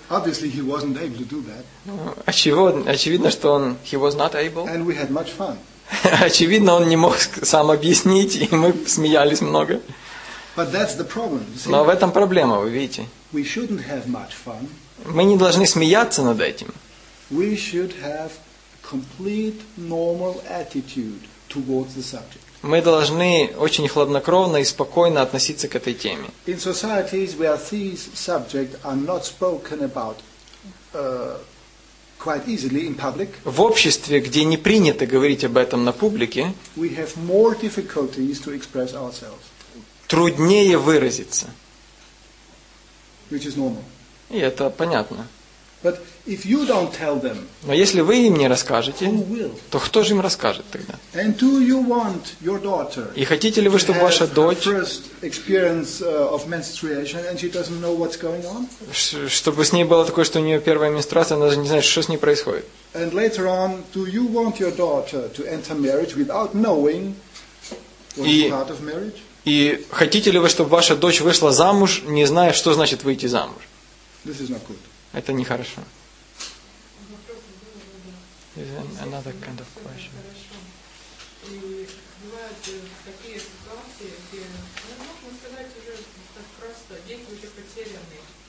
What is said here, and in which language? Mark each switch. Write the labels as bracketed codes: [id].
[en] Obviously, he wasn't able to do that. [ru] Очевидно, что он [en] he was not able. And we had much fun. [ru] Очевидно, он не мог сам объяснить, и мы смеялись много. [en] But that's the problem, you see? [ru] Но в этом проблема, вы видите. [en] We shouldn't have much fun. [ru] Мы не должны смеяться над этим. [en] We should have complete normal attitude towards the subject. [ru] Мы должны очень хладнокровно и спокойно относиться к этой теме. [en] In societies where these subjects are not spoken about quite easily in public, [ru] в обществе, где не принято говорить об этом на публике, [en] we have more difficulties to express ourselves. [ru] Труднее выразиться. [en] Which is normal. [ru] И это понятно. [en] But if you don't tell them, [ru] но если вы им не расскажете, [en] who will? [ru] То кто же им расскажет тогда? [en] And do you want your daughter, [ru] и хотите ли вы, чтобы ваша дочь, [en] first experience of menstruation, and she doesn't know what's going on? [ru] Чтобы с ней было такое, что у нее первая менструация, она же не знает, что с ней происходит. [en] And later on, do you want your daughter to enter marriage without knowing what's part of marriage? [ru] И хотите ли вы, чтобы ваша дочь вышла замуж, не зная, что значит выйти замуж? [en] This is not good. [ru] Это нехорошо. [en] Is another kind of question. [ru] И бывают такие ситуации, где, ну, можно сказать уже так просто, дети уже потерянные.